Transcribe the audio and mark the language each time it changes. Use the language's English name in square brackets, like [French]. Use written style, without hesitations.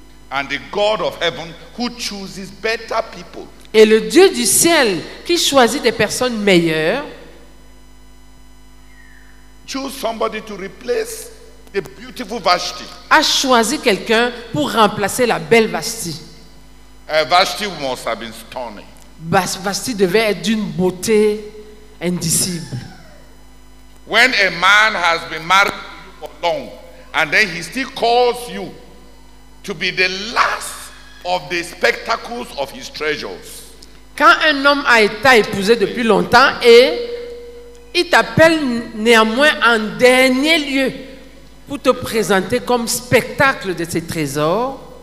[English] And the God of heaven who chooses better people. [French] Et le Dieu du ciel qui choisit des personnes meilleures. [English] Choose somebody to replace the beautiful Vashti. [French] A choisi quelqu'un pour remplacer la belle Vashti. [English] Vashti must have been stunning. [French] Vashti devait être d'une beauté indicible. [English] When a man has been married for long and then he still calls you to be the last of the spectacles of his treasures. [French] Quand un homme a été épousé depuis longtemps et il t'appelle néanmoins en dernier lieu pour te présenter comme spectacle de ses trésors.